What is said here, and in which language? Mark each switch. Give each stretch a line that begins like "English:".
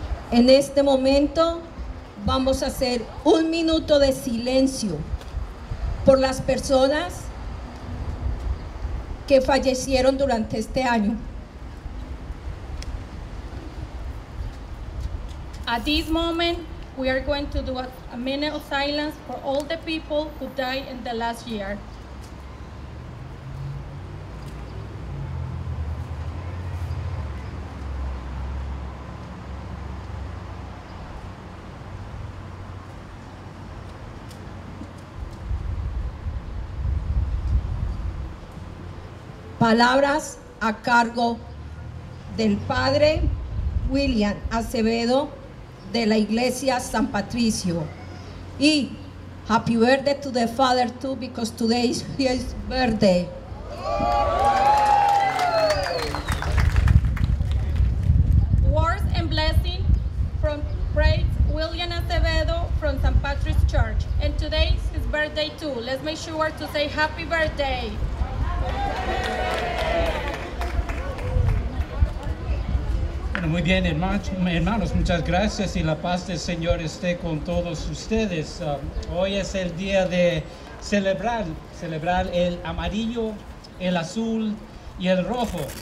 Spanish: En este momento vamos a hacer un minuto de silencio por las personas que fallecieron durante este año.
English: At this moment, we are going to do a minute of silence for all the people who died in the last year.
Spanish: Palabras a cargo del padre William Acevedo de la Iglesia San Patricio.
English: Y happy birthday to the father too, because today is his birthday. Words and blessing from Prince William Acevedo from San Patricio Church. And today is his birthday too. Let's make sure to say happy birthday.
Spanish: Muy bien, hermanos, muchas gracias y la paz del Señor esté con todos ustedes. Hoy es el día de celebrar el amarillo, el azul y el rojo.